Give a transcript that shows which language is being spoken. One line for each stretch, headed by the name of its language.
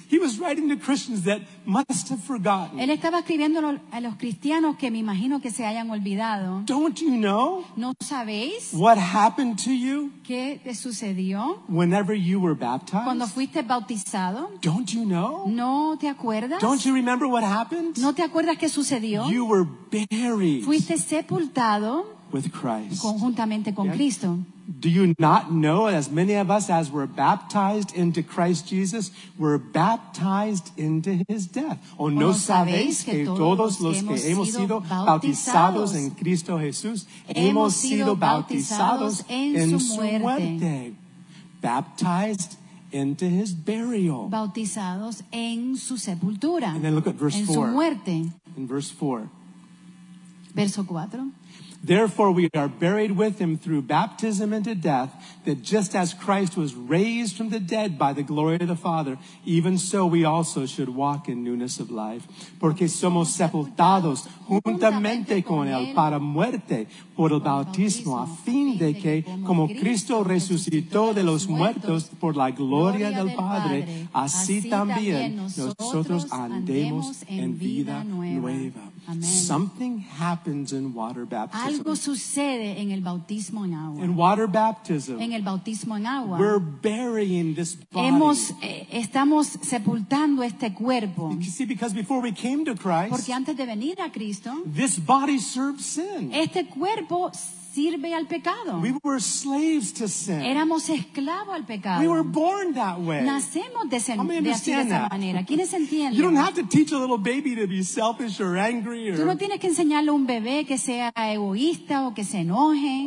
English: He was writing to Christians that must have forgotten.
Spanish: Él estaba escribiendo a los cristianos que me imagino que se hayan olvidado.
English: Don't you know?
Spanish: ¿No sabéis?
English: What happened to you?
Spanish: ¿Qué te sucedió?
English: Whenever you were baptized?
Spanish: Cuando fuiste bautizado.
English: Don't you know?
Spanish: ¿No te acuerdas?
English: Don't you remember what happened?
Spanish: ¿No te acuerdas qué sucedió?
English: You were buried.
Spanish: Fuiste sepultado.
English: With Christ.
Spanish: Conjuntamente con yeah. Cristo.
English: Do you not know as many of us as were baptized into Christ Jesus were baptized into his death?
Spanish: ¿O no sabéis que todos los que hemos sido bautizados en Cristo Jesús hemos sido bautizados en su muerte?
English: Baptized into his burial.
Spanish: Bautizados en su sepultura.
English: And then look at verse 4.
Spanish: En su muerte.
English: In verse 4.
Spanish: Verso 4.
English: Therefore we are buried with him through baptism into death, that just as Christ was raised from the dead by the glory of the Father, even so we also should walk in newness of life.
Spanish: Porque somos sepultados juntamente con él para muerte por el bautismo, a fin de que, como Cristo resucitó de los muertos por la gloria del Padre, así también nosotros andemos en vida nueva.
English: Amen. Something happens in water baptism.
Spanish: Algo sucede en el bautismo en agua.
English: In water baptism.
Spanish: En el bautismo en agua.
English: We're burying this body.
Spanish: Estamos sepultando este cuerpo.
English: You see, because before we came to Christ.
Spanish: Porque antes de venir a Cristo.
English: This body served sin.
Spanish: Este cuerpo sirve al pecado.
English: We were slaves to sin.
Spanish: Éramos esclavos al pecado.
English: We were born that way.
Spanish: Nacemos de esa manera. ¿Quiénes entienden?
English: You don't have to teach a little baby to be selfish or angry.
Spanish: Tú no tienes que enseñarle a un bebé que sea egoísta o que se enoje.